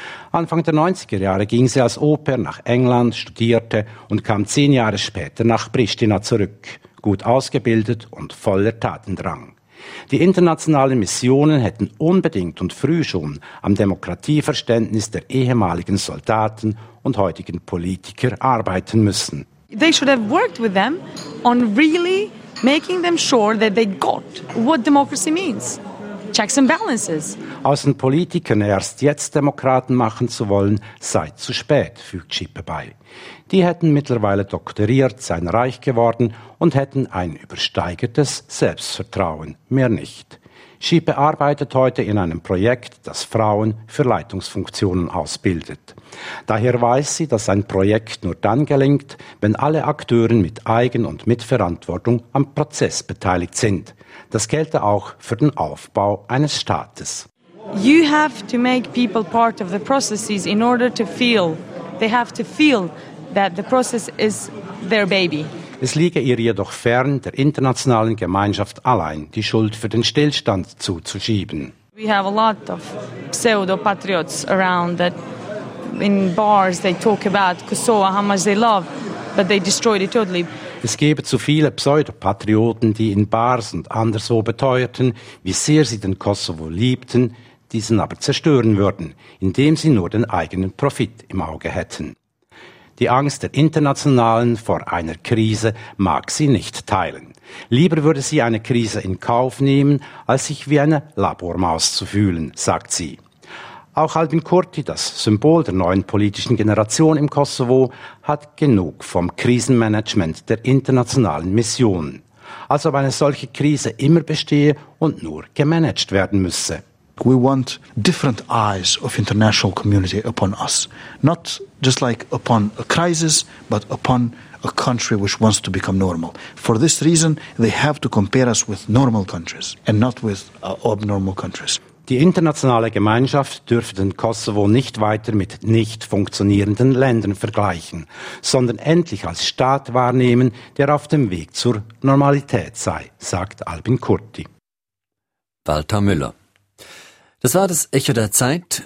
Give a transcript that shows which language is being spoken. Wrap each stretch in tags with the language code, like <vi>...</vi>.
<de>Anfang der 90er Jahre ging sie als Au-pair nach England, studierte und kam 10 Jahre später nach Pristina zurück, gut ausgebildet und voller Tatendrang. Die internationalen Missionen hätten unbedingt und früh schon am Demokratieverständnis der ehemaligen Soldaten und heutigen Politiker arbeiten müssen.</de> <en>They should have worked with them on really making them sure that they got what democracy means. Checks and balances.</en> <de>Außenpolitikern erst jetzt Demokraten machen zu wollen, sei zu spät, fügt Schippe bei. Die hätten mittlerweile doktoriert, seien reich geworden und hätten ein übersteigertes Selbstvertrauen, mehr nicht. Schippe arbeitet heute in einem Projekt, das Frauen für Leitungsfunktionen ausbildet. Daher weiß sie, dass ein Projekt nur dann gelingt, wenn alle Akteure mit Eigen- und Mitverantwortung am Prozess beteiligt sind. Das gelte auch für den Aufbau eines Staates.</de> <en>You have to make people part of the processes in order to feel. They have to feel that the process is their baby.</en> <de>Es liege ihr jedoch fern, der internationalen Gemeinschaft allein die Schuld für den Stillstand zuzuschieben.</de> <en>We have a lot of pseudo patriots around that in bars they talk about Kosovo, how much they love, but they destroyed it totally.</en> <de>Es gebe zu viele Pseudopatrioten, die in Bars und anderswo beteuerten, wie sehr sie den Kosovo liebten, diesen aber zerstören würden, indem sie nur den eigenen Profit im Auge hätten. Die Angst der Internationalen vor einer Krise mag sie nicht teilen. Lieber würde sie eine Krise in Kauf nehmen, als sich wie eine Labormaus zu fühlen, sagt sie. Auch Albin Kurti, das Symbol der neuen politischen Generation im Kosovo, hat genug vom Krisenmanagement der internationalen Missionen. Als ob eine solche Krise immer bestehe und nur gemanagt werden müsse.</de> <en>We want different eyes of international community upon us. Not just like upon a crisis, but upon a country which wants to become normal. For this reason, they have to compare us with normal countries and not with abnormal countries.</en> <de>Die internationale Gemeinschaft dürfe den Kosovo nicht weiter mit nicht funktionierenden Ländern vergleichen, sondern endlich als Staat wahrnehmen, der auf dem Weg zur Normalität sei, sagt Albin Kurti. Walter Müller. Das war das Echo der Zeit.</de>